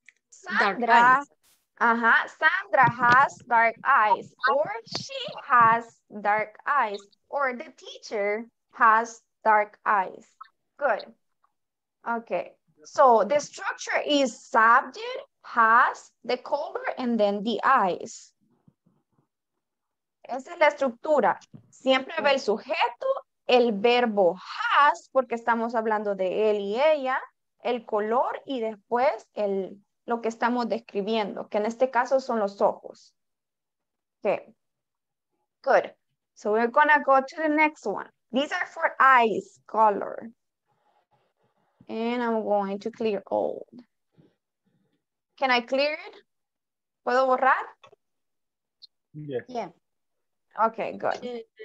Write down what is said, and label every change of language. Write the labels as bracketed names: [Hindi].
[English] Sandra. Sandra has dark eyes, or she has dark eyes, or the teacher has dark eyes. Good. Okay. So the structure is subject, has, the color, and then the eyes. [Spanish] Esa es la estructura. Siempre va el sujeto, el verbo has, porque estamos hablando de él y ella, el color, y después el, lo que estamos describiendo, que en este caso son los ojos. [English] Okay. Good. So we're gonna go to the next one. These are for eyes, color. And I'm going to clear all. Can I clear it? [Spanish] ¿Puedo borrar? [English] Yes. Yeah. Okay, good.